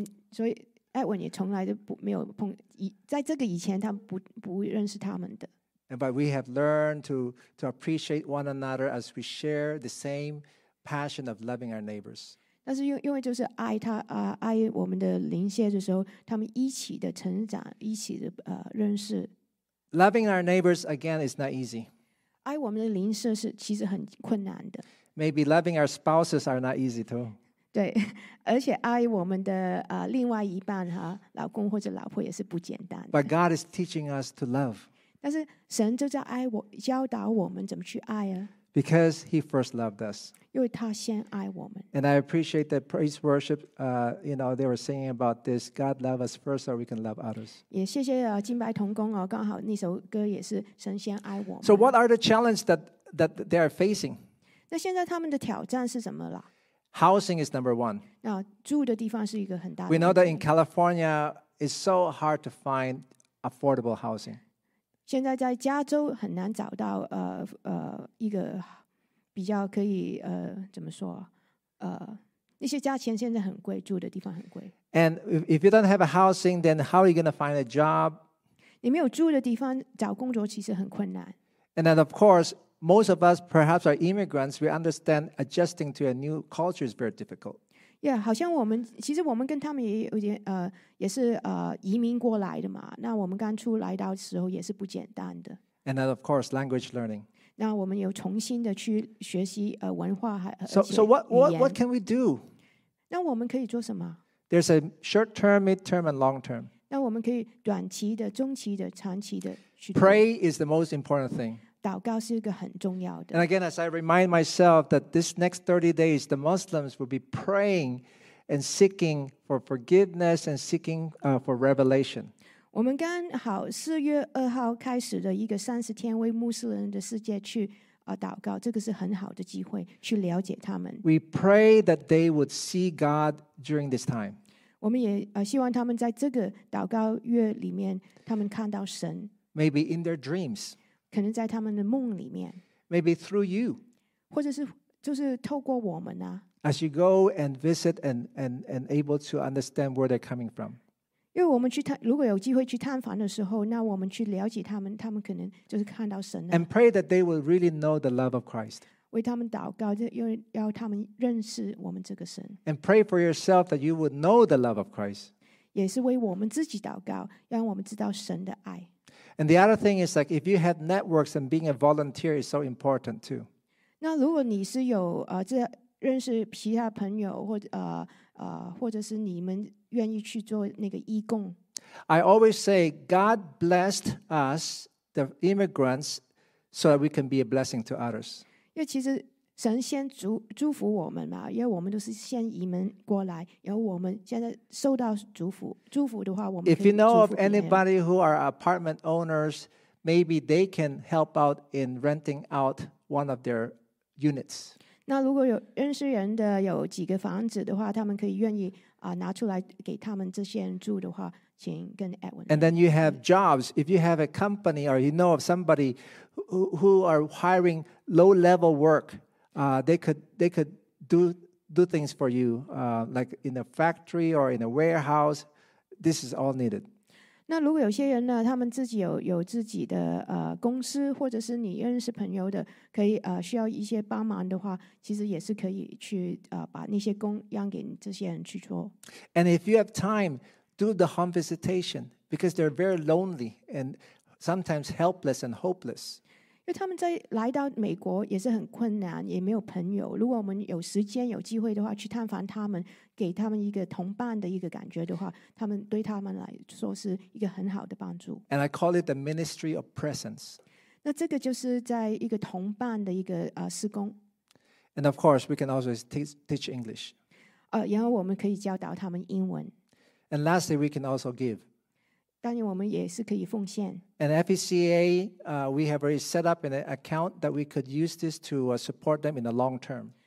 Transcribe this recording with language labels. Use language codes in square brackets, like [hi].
[zh] 所以 Edwin 也从来都不没有碰在这个以前他不认识他们的。 [en] But we have learned to appreciate one another as we share the same passion of loving our neighbors. [zh] 但是因为就是爱他爱我们的邻舍的时候，他们一起的成长，一起的认识。 [en] Loving our neighbors again is not easy. [zh] 爱我们的邻舍是其实很困难的。 [en] Maybe loving our spouses are not easy too. [zh] 对，而且爱我们的另外一半哈，老公或者老婆也是不简单的。 [en] But God is teaching us to love. [zh] 但是神就在教导我们怎么去爱啊。 [en] Because He first loved us. [zh] 因为他先爱我们。 [en] And I appreciate that praise worship. You know, they were singing about this. God loved us first, so we can love others. [zh] 也谢谢敬拜同工哦，刚好那首歌也是神先爱我们。 [en] So what are the challenges that they are facing? [zh] 那现在他们的挑战是什么了？ [en] Housing is number one. [zh] 那住的地方是一个很大的。 [en] We know that in California, it's so hard to find affordable housing. [zh] 现在在加州很难找到一个比较可以怎么说那些价钱现在很贵，住的地方很贵。 [en] And if you don't have a housing, then how are you going to find a job? [zh] 你没有住的地方找工作其实很困难。 [en] And then of course, most of us perhaps are immigrants. We understand adjusting to a new culture is very difficult. [zh] Yeah, 好像我们其实我们跟他们也有点也是移民过来的嘛。那我们刚出来到的时候也是不简单的。 [en] And then of course, language learning. [zh] 那我们有重新的去学习文化还而且语言。 [en] So what can we do? [zh] 那我们可以做什么？ [en] There's a short term, mid term, and long term. [zh] 那我们可以短期的、中期的、长期的去。 [en] Pray is the most important thing. [zh] 祷告是一个很重要的。 [en] And again, as I remind myself that this next 30 days, the Muslims will be praying and seeking for forgiveness and seeking for revelation. [zh] 我们刚好4月2号开始的一个30天为穆斯林的世界去祷告，这个是很好的机会去了解他们。 [en] We pray that they would see God during this time. [zh] 我们也希望他们在这个祷告月里面，他们看到神。 [en] Maybe in their dreams. [zh] 可能在他们的梦里面。 [en] Maybe through you. [zh] 或者是就是透过我们啊。 [en] As you go and visit and able to understand where they're coming from. [zh] 因为我们去探，如果有机会去探访的时候，那我们去了解他们，他们可能就是看到神了。 [en] And pray that they will really know the love of Christ. [zh] 为他们祷告，要他们认识我们这个神。 [en] And pray for yourself that you would know the love of Christ. [zh] 也是为我们自己祷告，让我们知道神的爱。 [en] And the other thing is like if you have networks and being a volunteer is so important too. [zh] 那如果你是有这认识其他朋友或者或者是你们愿意去做那个义工。 [en] I always say God blessed us, the immigrants, so that we can be a blessing to others. [zh] 因为其实神先祝福我们嘛，因为我们都是先移民过来，然后我们现在受到祝福。祝福的话，我们可以祝福。 [en] If you know of anybody who are apartment owners, maybe they can help out in renting out one of their units. [zh] 那如果有认识人的有几个房子的话，他们可以愿意拿出来给他们这些人住的话，请跟 Edwin。 [en] And then you have jobs. If you have a company or you know of somebody who are hiring low-level work, they could do things for you, like in a factory or in a warehouse. This is all needed. [zh] 那如果有些人呢，他们自己有自己的公司，或者是你认识朋友的，可以需要一些帮忙的话，其实也是可以去把那些工让给这些人去做。 [en] And if you have time, do the home visitation because they're very lonely and sometimes helpless and hopeless. [zh] 因为他们在来到美国也是很困难，也没有朋友。如果我们有时间有机会的话，去探访他们。给他们一个同伴的一个感觉的话，他们对他们来说是一个很好的帮助。 [en] And I call it the ministry of presence. [zh] 那这个就是在一个同伴的一个施工。 [en] And of course, we can also teach English. [zh] 然后我们可以教导他们英文。 [en] And lastly, we can also give. [zh] 当然，我们也是可以奉献。 [en] And FECA, we have already set up an account that we could use this to support them in the long term.